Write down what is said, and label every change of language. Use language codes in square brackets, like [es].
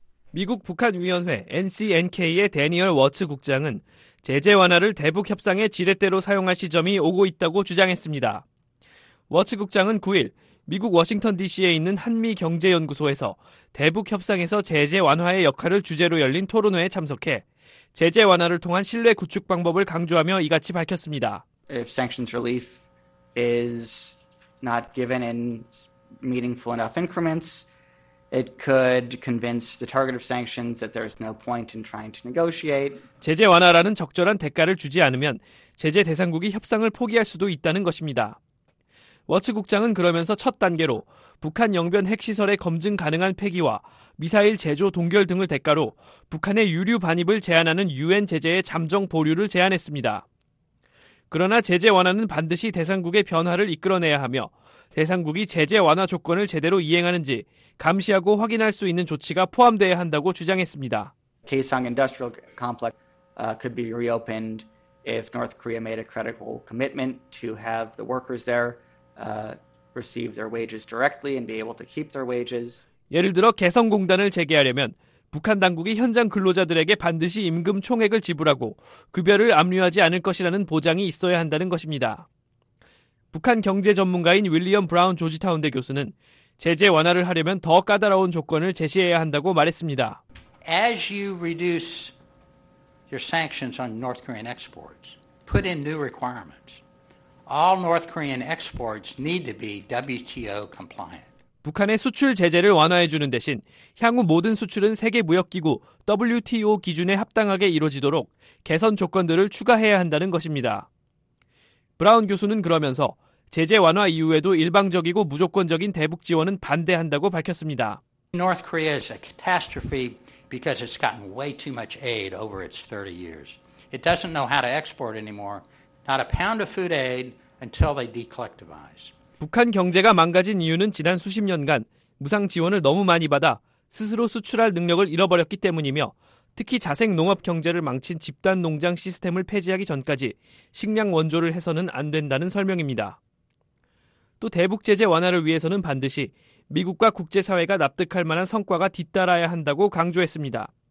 [ko] 미국 북한위원회 NCNK의 대니얼 워츠 국장은 제재 완화를 대북 협상의 지렛대로 사용할 시점이 오고 있다고 주장했습니다. 워츠 국장은 9일 미국 워싱턴 DC에 있는 한미경제연구소에서 대북협상에서 제재 완화의 역할을 주제로 열린 토론회에 참석해 제재 완화를 통한 신뢰 구축 방법을 강조하며 이같이 밝혔습니다. [en] If sanctions relief is not given in meaningful enough increments, it could convince the target of sanctions that there is no point in trying to negotiate. [ko] 제재 완화라는 적절한 대가를 주지 않으면 제재 대상국이 협상을 포기할 수도 있다는 것입니다. 워츠 국장은 그러면서 첫 단계로 북한 영변 핵시설의 검증 가능한 폐기와 미사일 제조 동결 등을 대가로 북한의 유류 반입을 제한하는 유엔 제재의 잠정 보류를 제안했습니다. 그러나 제재 완화는 반드시 대상국의 변화를 이끌어내야 하며 대상국이 제재 완화 조건을 제대로 이행하는지 감시하고 확인할 수 있는 조치가 포함되어야 한다고 주장했습니다. [en] Kaesong Industrial Complex could be reopened if North Korea made a credible commitment to have the workers there. Receive their wages directly and be able to keep their wages. [ko] 예를 들어 개성공단을 재개하려면 북한 당국이 현장 근로자들에게 반드시 임금 총액을 지불하고 급여를 압류하지 않을 것이라는 보장이 있어야 한다는 것입니다. 북한 경제 전문가인 윌리엄 브라운 조지타운대 교수는 제재 완화를 하려면 더 까다로운 조건을 제시해야 한다고 말했습니다. [en] As you reduce your sanctions on North Korean exports, put in new requirements. All North Korean exports need to be WTO compliant. [ko] 북한의 수출 제재를 완화해 주는 대신 향후 모든 수출은 세계 무역 기구 WTO 기준에 합당하게 이루어지도록 개선 조건들을 추가해야 한다는 것입니다. 브라운 교수는 그러면서 제재 완화 이후에도 일방적이고 무조건적인 대북 지원은 반대한다고 밝혔습니다. [en] North Korea is a catastrophe because it's gotten way too much aid over its 30 years. It doesn't know how to export anymore. Not a pound of food aid until they decollectivize. [ko] 북한 경제가 망가진 이유는 지난 수십 년간 무상 지원을 너무 많이 받아 스스로 수출할 능력을 잃어버렸기 때문이며 특히 자생 농업 경제를 망친 집단 농장 시스템을 폐지하기 전까지 식량 원조를 해서는 안 된다는 설명입니다. 또 대북 제재 완화를 위해서는 반드시 미국과 국제사회가 납득할 만한 성과가 뒤따라야 한다고 강조했습니다.